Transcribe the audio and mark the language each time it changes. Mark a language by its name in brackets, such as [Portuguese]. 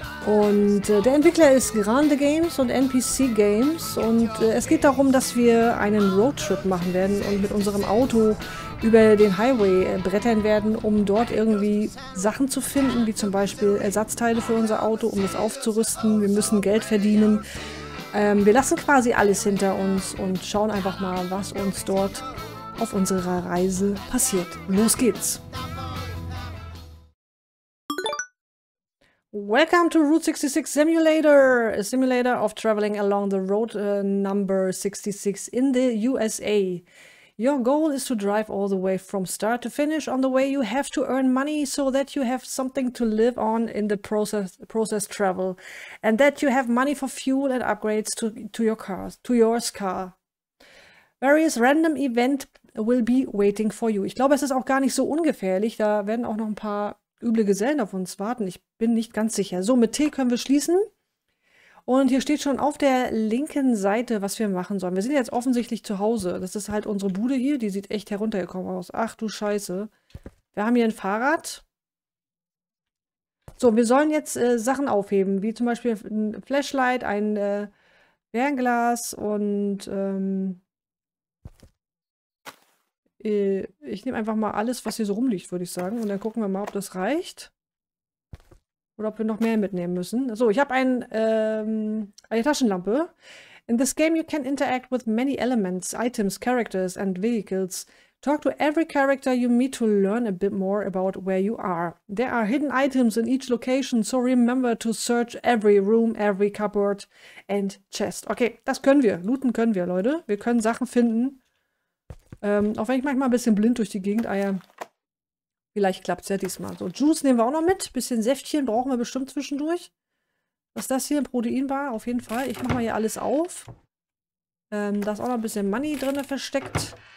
[German] Und der Entwickler ist Grande Games und NPC Games und es geht darum, dass wir einen Roadtrip machen werden und mit unserem Auto über den Highway brettern werden, um dort irgendwie Sachen zu finden, wie zum Beispiel Ersatzteile für unser Auto, um es aufzurüsten. Wir müssen Geld verdienen. Wir lassen quasi alles hinter uns und schauen einfach mal, was uns dort auf unserer Reise passiert. Los geht's! [English] Welcome to Route 66 Simulator, a simulator of traveling along the road number 66 in the USA. Your goal is to drive all the way from start to finish. On the way, you have to earn money so that you have something to live on in the process travel, and that you have money for fuel and upgrades to your car. Various random event will be waiting for you. [German] Ich glaube, es ist auch gar nicht so ungefährlich. Da werden auch noch ein paar üble Gesellen auf uns warten. Ich bin nicht ganz sicher. So, mit T können wir schließen. Und hier steht schon auf der linken Seite, was wir machen sollen. Wir sind jetzt offensichtlich zu Hause. Das ist halt unsere Bude hier. Die sieht echt heruntergekommen aus. Ach du Scheiße. Wir haben hier ein Fahrrad. So, wir sollen jetzt Sachen aufheben. Wie zum Beispiel ein Flashlight, ein Fernglas und ich nehme einfach mal alles, was hier so rumliegt, würde ich sagen. Und dann gucken wir mal, ob das reicht. Oder ob wir noch mehr mitnehmen müssen. So, ich habe eine Taschenlampe. [English] In this game you can interact with many elements, items, characters and vehicles. Talk to every character you meet to learn a bit more about where you are. There are hidden items in each location, so remember to search every room, every cupboard and chest. [German] Okay, das können wir. Looten können wir, Leute. Wir können Sachen finden. Auch wenn ich manchmal ein bisschen blind durch die Gegend eier. Vielleicht klappt es ja diesmal. So, Juice nehmen wir auch noch mit. Bisschen Säftchen brauchen wir bestimmt zwischendurch. Was das hier? Ein Proteinbar, auf jeden Fall. Ich mache mal hier alles auf. Da ist auch noch ein bisschen Money drin versteckt.